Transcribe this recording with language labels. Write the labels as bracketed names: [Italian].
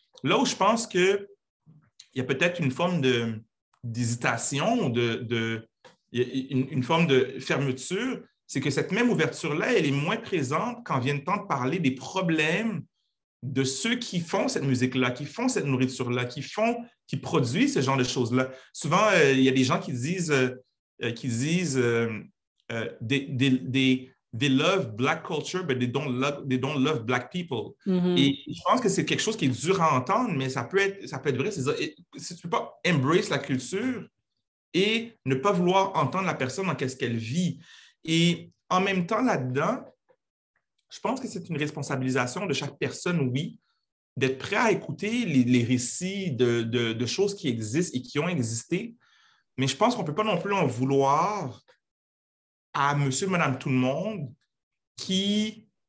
[French] Là où je pense qu'il y a peut-être une forme d'hésitation, une forme de fermeture, c'est que cette même ouverture-là, elle est moins présente quand vient le temps de parler des problèmes de ceux qui font cette musique-là, qui font cette nourriture-là, qui produisent ce genre de choses-là. Souvent, il y a des gens qui disent [English] they love black culture, but they don't love black people. Mm-hmm. [French] Et je pense que c'est quelque chose qui est dur à entendre, mais ça peut être vrai. Si tu peux pas embrace la culture et ne pas vouloir entendre la personne dans qu'est-ce qu'elle vit. Et en même temps, là-dedans, je pense que c'est une responsabilisation de chaque personne, oui, d'être prêt à écouter les récits de choses qui existent et qui ont existé, mais je pense qu'on ne peut pas non plus en vouloir à monsieur, madame, tout le monde qui